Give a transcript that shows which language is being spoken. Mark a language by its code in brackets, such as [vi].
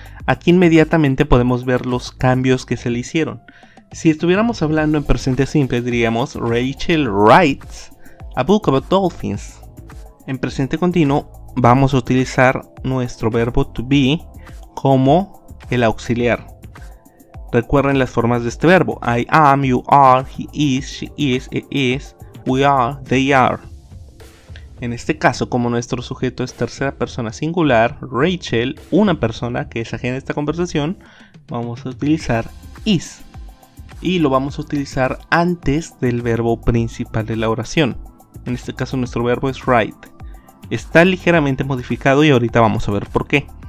[es] Aquí inmediatamente podemos ver los cambios que se le hicieron. Si estuviéramos hablando en presente simple, diríamos [en] Rachel writes a book about dolphins. [es] En presente continuo, vamos a utilizar nuestro verbo to be como el auxiliar. Recuerden las formas de este verbo. [en] I am, you are, he is, she is, it is, we are, they are. [es] En este caso, como nuestro sujeto es tercera persona singular, Rachel, una persona que es ajena a esta conversación, vamos a utilizar is. Y lo vamos a utilizar antes del verbo principal de la oración. En este caso, nuestro verbo es write. Está ligeramente modificado y ahorita vamos a ver por qué.